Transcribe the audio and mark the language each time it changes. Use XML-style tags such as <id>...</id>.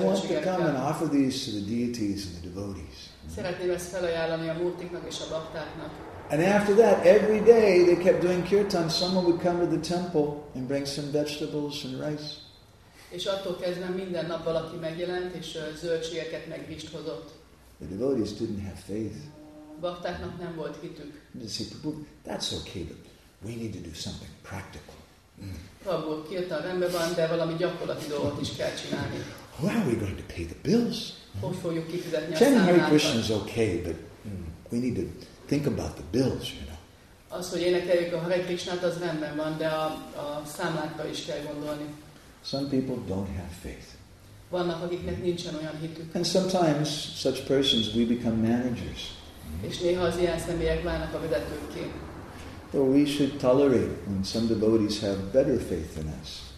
<en>I want to come and offer these to the deities and the devotees.</en> <hu>Szeretném ezt felajánlani a múltiknak és a baktáknak.</hu> <en>And after that, every day they kept doing kirtan. Someone would come to the temple and bring some vegetables and rice.</en> <hu>És attól kezdve minden nap valaki megjelent és zöldségeket meg rizst hozott.</hu> <en>The devotees didn't have faith.</en> <hu>Baktáknak nem volt hitük.</hu> <en>They said, that's okay, but we need to do something practical.</en> <hu>Prabhu, kirtan rendben van, de valami gyakorlati dolgot is kell csinálni. How are we going to pay the bills? Hogy fogjuk kifizetni a számlákat?</hu> <en>Chanting Hare Krishna is okay, but we need to think about the bills, you know.</en> <hu>Az, hogy énekeljük a Hare Krishnát, az rendben van, de a számlákra is kell gondolni.</hu> <en>Some people don't have faith.</en> <hu>Vannak, akiknek nincsen olyan hitük.</hu> <en>And sometimes, such persons, we become managers.</en> <hu>És néha az ilyen személyek válnak a vezetőkké.</hu> <en>So we should tolerate when some devotees have better faith than us.</en>